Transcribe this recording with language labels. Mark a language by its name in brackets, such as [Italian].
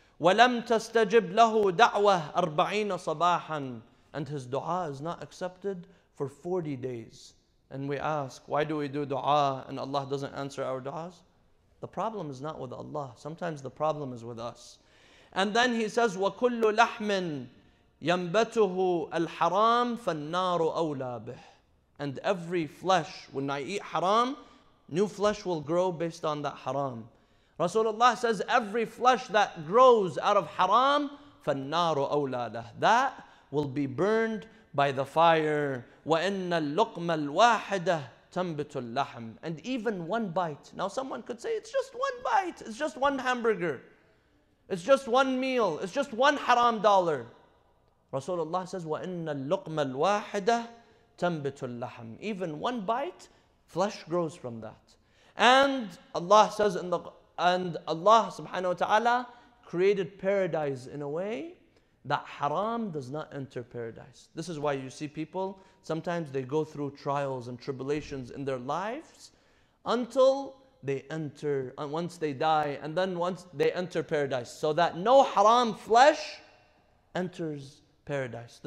[Arabic] ولم تستجب له دعوة 40 صباحا. [English] And his dua is not accepted for 40 days. And we ask, why do we do dua and Allah doesn't answer our duas? The problem is not with Allah. Sometimes the problem is with us. And then he says, [Arabic] وكل لحم يَنْبَتُهُ الْحَرَامُ فَالنَّارُ أَوْلَى بِهِ. [English] And every flesh, when I eat haram, new flesh will grow based on that haram. Rasulullah says, every flesh that grows out of haram, [Arabic] فَالنَّارُ أَوْلَى لَهُ. [English] That will be burned by the fire. [Arabic] وَإِنَّ اللُّقْمَ الْوَاحِدَةِ تَنْبِتُ اللَّحْمُ. [English] And even one bite. Now someone could say, it's just one bite. It's just one hamburger. It's just one meal. It's just one haram dollar. Rasulullah says, [Arabic] وَإِنَّ اللُّقْمَ الْوَاحِدَةِ تَنْبِتُ اللَّحَمْ. [English] Even one bite, flesh grows from that. And Allah says, and Allah subhanahu wa ta'ala created paradise in a way that haram does not enter paradise. This is why you see people, sometimes they go through trials and tribulations in their lives until they enter, once they die, and then once they enter paradise, so that no haram flesh enters paradise.